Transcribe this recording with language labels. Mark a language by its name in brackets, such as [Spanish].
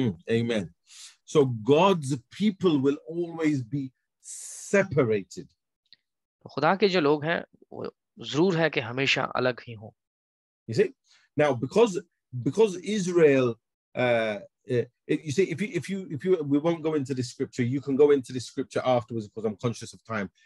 [English] Amen. So God's people will always be separated. [Hindi] खुदा के जो लोग हैं वो जरूर है कि हमेशा अलग ही हों। [English] You see? Now because Israel if you we won't go into this scripture, you can go into this scripture afterwards because I'm conscious of time.